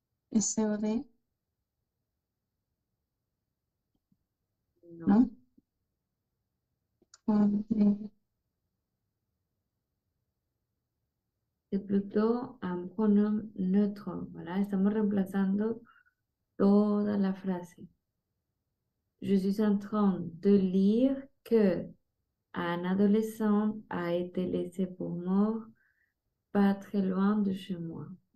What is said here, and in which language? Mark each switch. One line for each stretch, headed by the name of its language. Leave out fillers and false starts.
French: SOD. Non. Non. Okay. C'est plutôt un pronom neutre.
Spanish: Voilà, estamos reemplazando toda la frase.
French: Je suis en train de lire que un adolescent a été laissé pour mort pas très loin de chez moi.